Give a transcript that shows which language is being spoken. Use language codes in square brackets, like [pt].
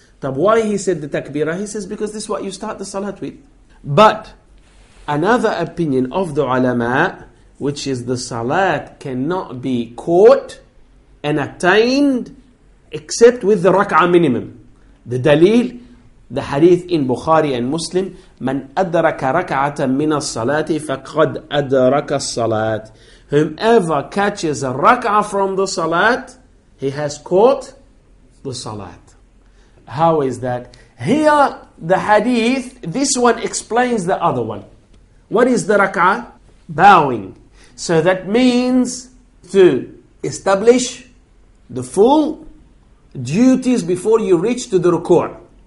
[en] Tab, why he said the takbira? He says, because this is what you start the salat with. But another opinion of the ulama, which is the salat cannot be caught and attained except with the rak'ah minimum. The dalil, The hadith in Bukhari and Muslim, [ar] من أدرك ركعة من الصلاة فقد أدرك الصلاة. [en] Whomever catches a rak'ah from the salat, he has caught the salat. How is that? Here, the hadith, this one explains the other one. What is the rak'ah? Bowing. So that means to establish the full duties before you reach to the ruku'ah.